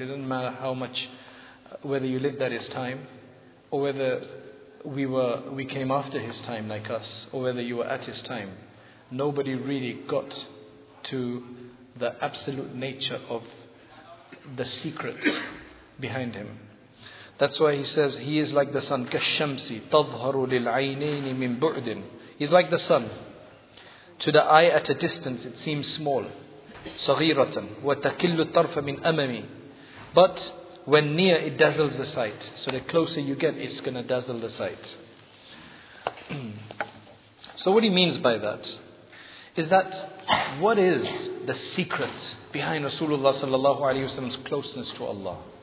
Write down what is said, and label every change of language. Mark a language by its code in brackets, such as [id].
[en] It doesn't matter how much, whether you live that his time, or whether we came after his time like us, or whether you were at his time. Nobody really got to the absolute nature of the secret behind him. That's why he says, he is like the sun. [ar] كَالشَّمْسِ تَظْهَرُ لِلْعَيْنَيْنِ مِنْ بُعْدٍ [en] He's like the sun. To the eye at a distance, it seems small. [ar] صغيرةً وَتَكِلُّ الطَّرْفَ مِنْ أَمَمِي [en] But when near, it dazzles the sight. So the closer you get, it's going to dazzle the sight. So what he means by that is that what is the secret behind Rasulullah sallallahu alaihi wasallam's closeness to Allah?